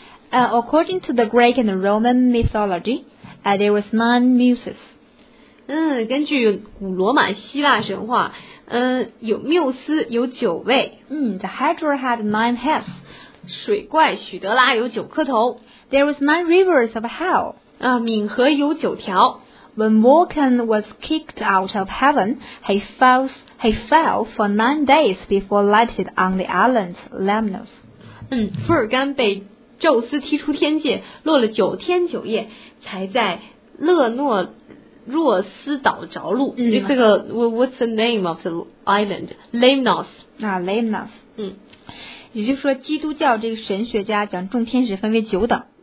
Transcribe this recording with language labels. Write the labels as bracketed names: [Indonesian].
[English] ，According to the Greek and Roman mythology, there was 9 muses. [Chinese] 嗯，根据古罗马希腊神话，有缪斯有九位。 [English] 嗯 ，The Hydra had 9 heads. [Chinese] 水怪许德拉有九颗头。 [English] There was 9 rivers of hell. [Chinese] 啊，敏河有九条。 [English] When Vulcan was kicked out of heaven, he fell for 9 days before lighted on the island Lemnos. [Chinese] 嗯，福尔甘被宙斯踢出天界，落了九天九夜，才在勒诺若斯岛着陆。嗯， [English] 这个 What's the name of the island? Lemnos. 啊 ，Lemnos. [Chinese] 嗯，也就是说，基督教这个神学家将众天使分为九等。